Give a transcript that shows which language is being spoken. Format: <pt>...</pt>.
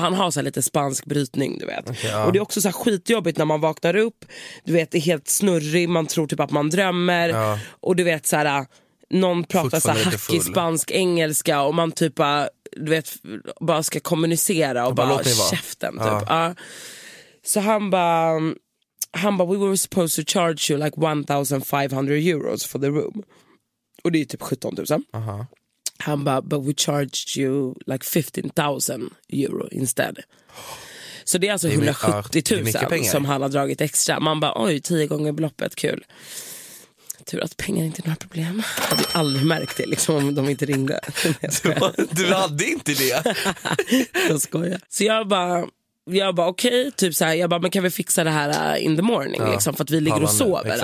<sv>Och han har såhär lite spansk brytning, du vet. Och det är också såhär skitjobbigt när man vaknar upp, du vet, det är helt snurrig, man tror typ att man drömmer. Och du vet såhär, någon pratar såhär hackig spansk engelska, och man typ du vet, bara ska kommunicera och bara käften typ. Så han bara,</sv> <en>we were supposed to charge you like 1500 euros for the room.</en> <sv>Och det är typ 17 000. Han bara,</sv> <en>but we charged you like 15,000 euro instead.</en> <sv>Så det är alltså 170 000 som han har dragit extra. Man bara, oj, 10 gånger beloppet, kul. Tur att pengar inte är några problem. Jag hade aldrig märkt det, liksom, om de inte ringde. Du hade inte det. Jag skojar. Så jag bara okej, okay, typ så här, jag bara, men kan vi fixa det här</sv> <en>in the morning,</en> <sv>liksom, för att vi ligger och sover.</sv>